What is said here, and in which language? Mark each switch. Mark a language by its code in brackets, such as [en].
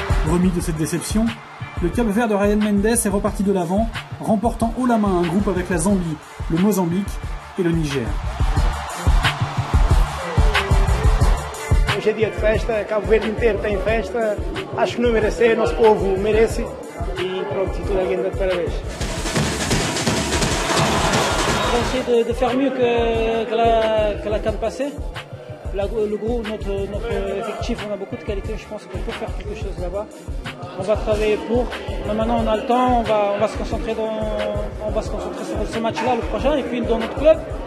[fr] Remis de cette déception, le Cap-Vert de Ryan Mendes est reparti de l'avant, remportant haut la main un groupe avec la Zambie, le Mozambique et le Niger. [pt] Hoje é dia de festa, Cabo Verde inteiro tem festa, acho que não merece, nosso povo merece e pronto, e toda a gente de parabéns. Vamos [fr] essayer de faire mieux que la CAN passée. Le groupe, notre effectif, on a beaucoup de qualité, je pense qu'on peut faire quelque chose là-bas. On va travailler pour, mais maintenant on a le temps, on va se concentrer sur ce match-là, le prochain, et puis dans notre club.